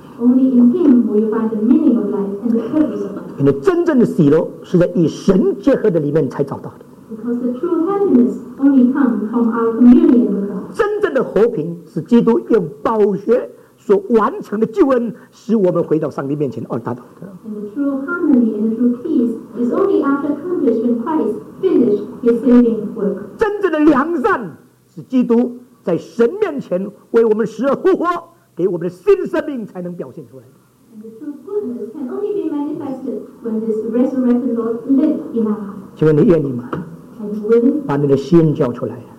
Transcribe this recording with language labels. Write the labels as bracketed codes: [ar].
[en] Only in Him will you find the meaning of life and the purpose of life. [zh] 你真正的喜乐是在与神结合的里面才找到的。 [en] Because the true happiness only comes from our communion with God. [zh] 真正的和平是基督用宝血所完成的救恩，使我们回到上帝面前而达到的。 [en] And the true harmony and the true peace is only after accomplishment Christ finished His saving work. [zh] 真正的良善是基督在神面前为我们死而复活。给我们的新生命才能表现出来。 [en] And the true goodness can only be manifested when this resurrected Lord lives in our heart. [zh] 请问你愿意吗？ [en] And willing. [zh] 把你的心交出来。